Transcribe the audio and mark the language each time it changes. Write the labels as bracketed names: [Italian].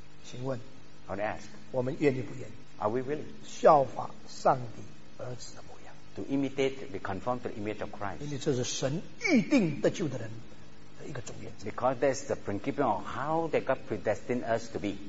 [Chinese] 请问 [English] I want to ask, [Chinese] 我们愿意不愿意 [English] are we willing? [Chinese] 效法上帝儿子的模样 [English] to imitate, be conformed to the image of Christ. [Chinese] 因为这是神预定得救的人的一个重点 [English] because that's the principle of how that God predestined us to be.